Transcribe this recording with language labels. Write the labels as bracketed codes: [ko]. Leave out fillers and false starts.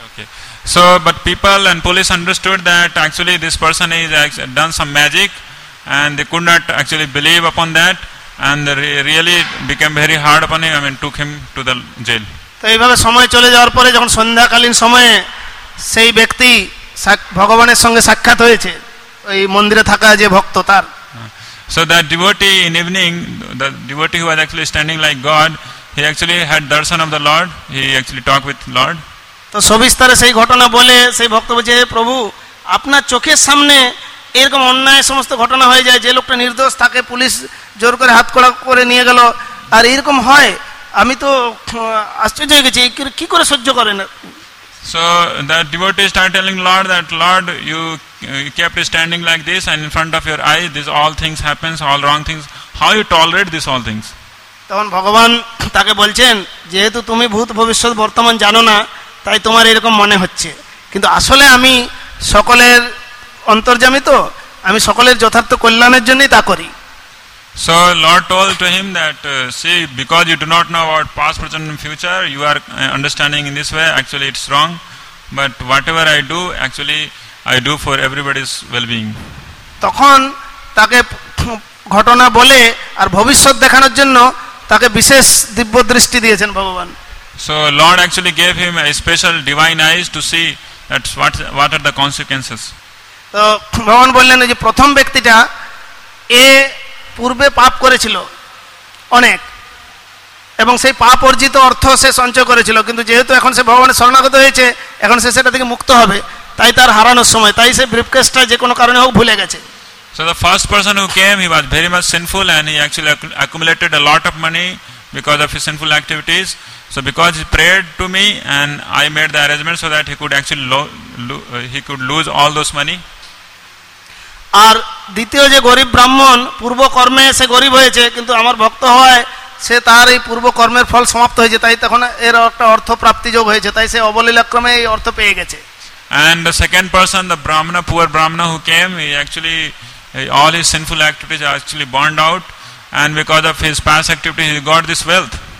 [en] Okay so but people and police understood that actually this person is done some magic, and they could not actually believe upon that, and really became very hard upon him, I mean took him to the jail. [bn] তো এইভাবে সময় চলে যাওয়ার পরে যখন সন্ধ্যাকালীন সময়ে সেই ব্যক্তি ভগবানের সঙ্গে সাক্ষাৎ হয়েছে, ওই মন্দিরে থাকা যে ভক্ত তার. [en] So that devotee in evening, the devotee who was actually standing like God, he actually had darshan of the Lord, he actually talked with Lord. [bn] তো সবিস্তারে সেই ঘটনা বলে সেই ভক্ত বলছে প্রভু আপনার চোখের সামনে এরকম অন্যায় সমস্ত ঘটনা হয়ে যায়, যে লোকটা নির্দোষ তাকে পুলিশ জোর করে হাত কড়া করে নিয়ে গেল, আর এরকম হয়, আমি তো আশ্চর্য হয়ে গেছি, কি করে সহ্য করেন. [en] So that devotee started telling Lord that, Lord, you kept standing like this, and in front of your eyes these all things happens, all wrong things, how you tolerate this all things. [bn] তখন ভগবান তাকে বলছেন যেহেতু তুমি ভূত ভবিষ্যৎ বর্তমান জানো না তাই তোমার এরকম মনে হচ্ছে, কিন্তু আসলে আমি সকলের অন্তর্যামী, তো আমি সকলের যথার্থ কল্যাণের জন্যই তা করি. [en] So Lord told to him that, see, because you do not know about past, present and future, you are understanding in this way, actually it's wrong, but whatever I do, actually I do for everybody's well-being. [bn] তখন তাকে ঘটনা বলে আর ভবিষ্যৎ দেখানোর জন্য তাকে বিশেষ দিব্য দৃষ্টি দিয়েছেন ভগবান. [en] So Lord actually gave him a special divine eyes to see that what are the consequences. [bn] তো ভগবান বললেন যে প্রথম ব্যক্তিটা এ পূর্বে পাপ করেছিল অনেক, এবং সেই পাপ অর্জিত অর্থ সে সঞ্চয় করেছিল, কিন্তু যেহেতু এখন সে ভগবানের শরণাগত হয়েছে, এখন সে সেটা থেকে মুক্ত হবে, তাই তার হারানোর সময় তাই সে ব্রিফকেসটা যে কোনো কারণে হোক ভুলে গেছে. [en] So the first person who came, he was very much sinful, and he actually accumulated a lot of money because of his sinful activities. So because he prayed to me and I made the arrangement so that he could actually lose all those money. [bn] আর দ্বিতীয় যে গরিব ব্রাহ্মণ, পূর্বকর্মে সে গরিব হয়েছে, কিন্তু আমার ভক্ত হয় সে তার এই পূর্বকর্মের ফল সমাপ্ত হয়েছে, তাই তখন এর একটা অর্থ প্রাপ্তি যোগ হয়েছে, তাই সে অবলীলাক্রমে এই অর্থ পেয়ে গেছে. [en] And the second person, the brahmana, poor brahmana who came, he actually all his sinful activities actually burned out, and because of his past activity he got this wealth.